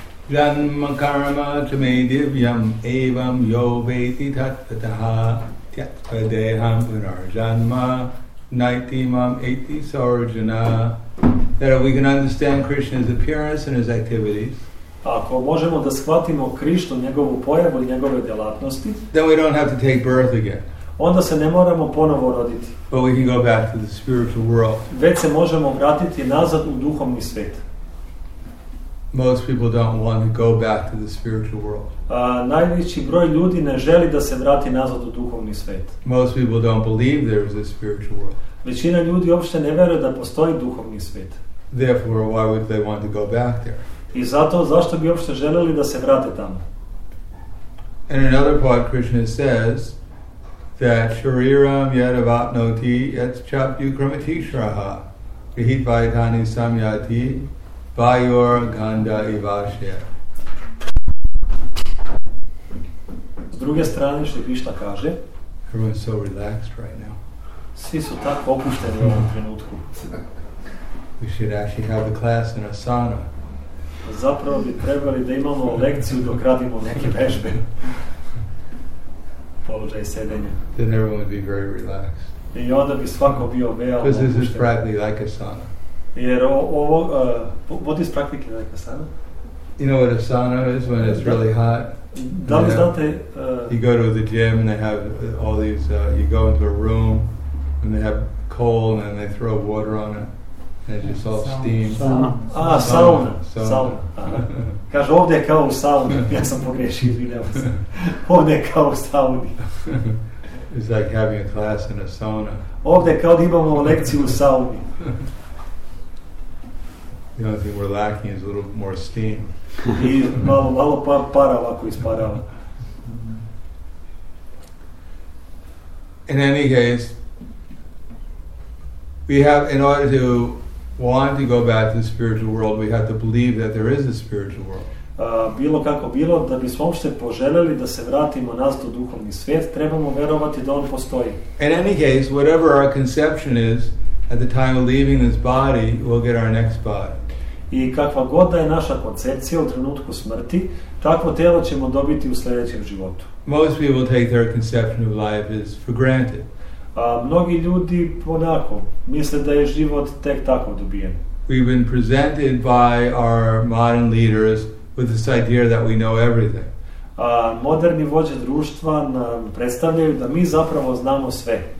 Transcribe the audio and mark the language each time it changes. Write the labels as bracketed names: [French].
[Sanskrit] janma karma tame divyam evam yo veti tatvataha tyatvadeham punarjanma naitimam eti sarjana. [English] That if we can understand Krishna's appearance and his activities, [Serbian] ako možemo da shvatimo Krishnu, njegovu pojavu i njegove djelatnosti, [English] then we don't have to take birth again. [Serbian] Onda se ne moramo ponovo roditi. [English] But we can go back to the spiritual world. [Serbian] Već se možemo vratiti nazad u duhovni svijet. [English] Most people don't want to go back to the spiritual world. [Serbian] Najveći broj ljudi ne želi da se vrati nazad u duhovni svijet. [English] Most people don't believe there is a spiritual world. [Serbian] Većina ljudi uopšte ne vjeruje da postoji duhovni svijet. [English] Therefore, why would they want to go back there? [Serbian] I zato, zašto bi uopšte želeli da se vrate tamo? [English] In another part, Krishna says that [Sanskrit] shariram yadavapnoti yat chapyukramatishraha vihitvaitani samyati vayur ganda ivashya. [Serbian] S druge strane, što Krishna kaže, [English] everyone's so relaxed right now. [Serbian] Svi su tako opušteni u ovom trenutku. [English] We should actually have a class in asana. [Serbian] Zapravo bi trebali da imamo lekciju dok radimo neke vežbe. Položaj sedenja. [English] Then everyone would be very relaxed. [Serbian] I onda bi svako bio veoma opušten. [English] Because this is practically like asana. [Serbian] Jer ovo, [English] what is practically like asana? You know what asana is when it's really hot? [Serbian] Da li znate? [English] You go to the gym and they have all these, you go into a room and they have coal and they throw water on it. And it's just all steam. Sauna. [Serbian] Kaže, ovdje je kao u sauni. Ja sam pogrešio, izvinjavam se. Ovdje je kao u sauni. [English] It's like having a class in a sauna. [Serbian] Ovdje je kao da imamo lekciju u sauni. [English] The only thing we're lacking is a little more steam. [Serbian] I malo para ovako isparava. [English] In any case, we have, in order to want to go back to the spiritual world, we have to believe that there is a spiritual world. [Serbian] Bilo kako bilo, da bismo uopšte poželjeli da se vratimo nazad u duhovni svijet, trebamo vjerovati da on postoji. [English] In any case, whatever our conception is, at the time of leaving this body, we'll get our next body. [Serbian] I kakva god da je naša koncepcija u trenutku smrti, takvo tijelo ćemo dobiti u sljedećem životu. [English] Most people take their conception of life as for granted. [Serbian] Mnogi ljudi onako misle da je život tek tako dobijen. [English] We've been presented by our modern leaders with this idea that we know everything. [Serbian] Moderni vođe društva nam predstavljaju da mi zapravo znamo sve.